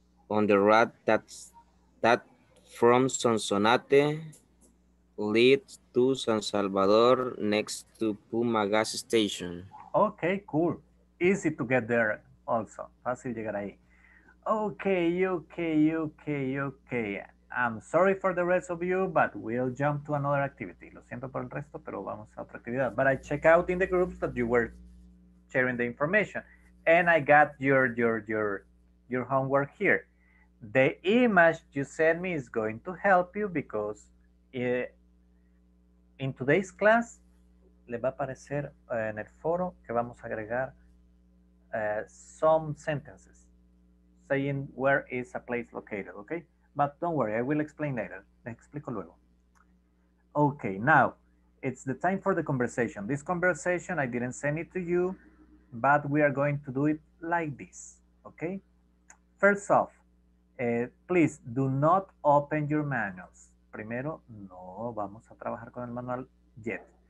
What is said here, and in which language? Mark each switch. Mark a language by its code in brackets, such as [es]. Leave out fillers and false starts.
[en] On the route that from Sonsonate leads to San Salvador next to Puma Gas Station. Okay, cool. Easy to get there also. [es] Fácil llegar ahí. [en] Okay. I'm sorry for the rest of you, but we'll jump to another activity. [es] Lo siento por el resto, pero vamos a otra actividad. [en] But I check out in the groups that you were sharing the information. And I got your homework here. The image you sent me is going to help you because in today's class, [es] le va a aparecer en el foro que vamos a agregar [en] some sentences saying where is a place located, okay? But don't worry, I will explain later. [es] Le explico luego. [en] Okay, now it's the time for the conversation. This conversation, I didn't send it to you, but we are going to do it like this, okay? First off, please do not open your manuals. [es] Primero, no vamos a trabajar con el manual yet.